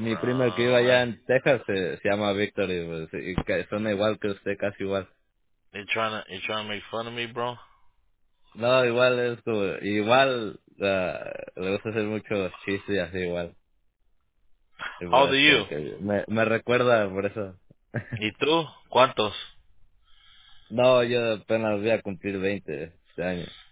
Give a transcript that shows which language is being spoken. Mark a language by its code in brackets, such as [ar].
[es] Mi primo que iba allá en Texas se llama Victor y suena igual que usted, casi igual. [en] You trying to make fun of me, bro? [es] No, igual es como, le gusta hacer muchos chistes y así igual. [en] How do you? [es] Me recuerda por eso. ¿Y tú? ¿Cuántos? No, yo apenas voy a cumplir 20 este año.